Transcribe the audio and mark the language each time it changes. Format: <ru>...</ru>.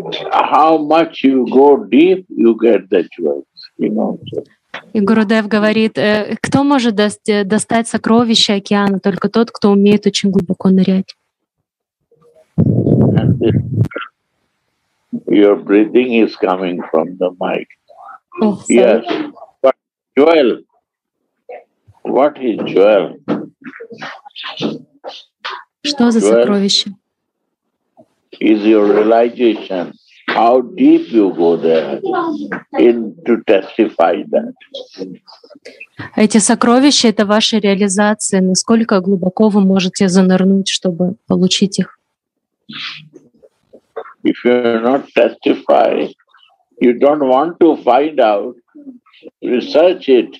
<en>How much you go deep, you get the jewels, you know.</en> <ru>И Гурудев говорит, кто может достать сокровища океана? Только тот, кто умеет очень глубоко нырять.</ru> <en>Your breathing is coming from the mic. Yes. But jewel. What is jewel?</en> <ru>Что за jewel сокровище?</ru> <en>Is your realization. How deep you go there in to testify that.</en> <ru>Эти сокровища — это ваша реализация. Насколько глубоко вы можете занырнуть, чтобы получить их?</ru> <en>If you are not testifying, you don't want to find out, research it.</en>